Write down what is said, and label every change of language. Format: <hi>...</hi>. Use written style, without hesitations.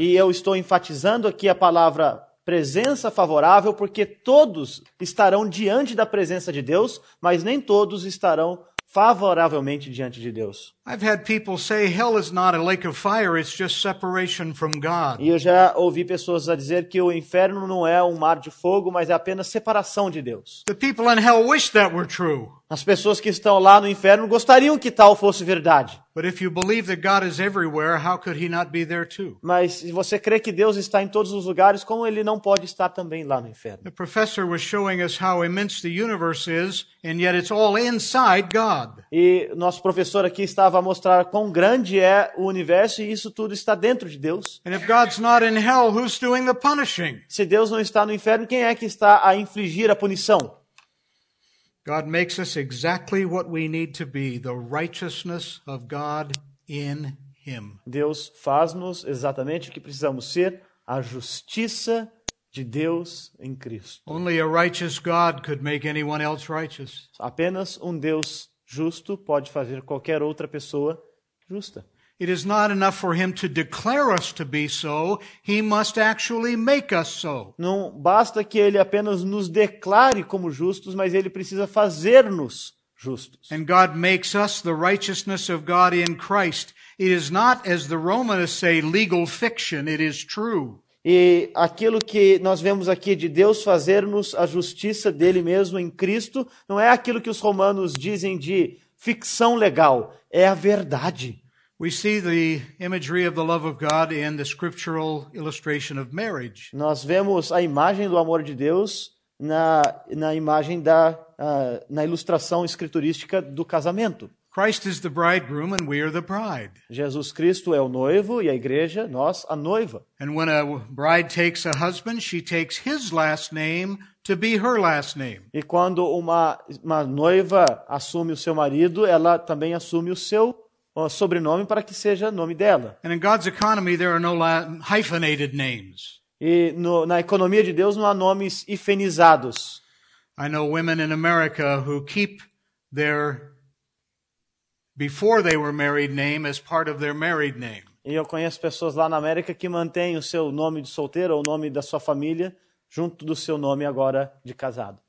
<pt>E eu estou enfatizando aqui a palavra presença favorável, porque todos estarão diante da presença de Deus, mas nem todos estarão favoravelmente diante de Deus.</pt> <en>I've had people say hell is not a lake of fire, it's just separation from God.</en> <pt>E eu já ouvi pessoas a dizer que o inferno não é um mar de fogo, mas é apenas separação de Deus.</pt> <en>The people in hell wish that were true.</en> <pt>As pessoas que estão lá no inferno gostariam que tal fosse verdade.</pt> <en>But if you believe that God is everywhere, how could he not be there too?</en> <pt>Mas se você crê que Deus está em todos os lugares, como ele não pode estar também lá no inferno?</pt> <en>The professor was showing us how immense the universe is, and yet it's all inside God.</en> <pt>E nosso professor aqui estava a mostrar quão grande é o universo e isso tudo está dentro de Deus.</pt> <en>And if God's not in hell, who's doing the punishing?</en> <pt>Se Deus não está no inferno, quem é que está a infligir a punição?</pt> <en>God makes us exactly what we need to be, the righteousness of God in him.</en> <pt>Deus faz-nos exatamente o que precisamos ser, a justiça de Deus em Cristo.</pt> <en>Only a righteous God could make anyone else righteous.</en> <pt>Apenas Deus justo pode fazer qualquer outra pessoa justa.</pt> <en>It is not enough for him to declare us to be so, he must actually make us so.</en> <pt>Não basta que ele apenas nos declare como justos, mas ele precisa fazer-nos justos.</pt> <en>And God makes us the righteousness of God in Christ. It is not, as the Romans say, legal fiction, it is true.</en> <pt>E aquilo que nós vemos aqui de Deus fazer-nos a justiça dele mesmo em Cristo, não é aquilo que os romanos dizem de ficção legal, é a verdade.</pt> <en>We see the imagery of the love of God in the scriptural illustration of marriage.</en> <pt>Nós vemos a imagem do amor de Deus na imagem da na ilustração escriturística do casamento.</pt> <en>Christ is the bridegroom and we are the bride.</en> <pt>Jesus Cristo é o noivo e a igreja, nós, a noiva.</pt> <en>And when a bride takes a husband, she takes his last name to be her last name.</en> <pt>E quando uma noiva assume o seu marido, ela também assume o seu sobrenome para que seja nome dela.</pt> <en>And in God's economy, there are no hyphenated names.</en> <pt>E na economia de Deus não há nomes hifenizados.</pt> <en>I know women in America who keep their before they were married name as part of their married name.</en> <pt>E eu conheço pessoas lá na América que mantêm o seu nome de solteiro ou o nome da sua família junto do seu nome agora de casado.</pt>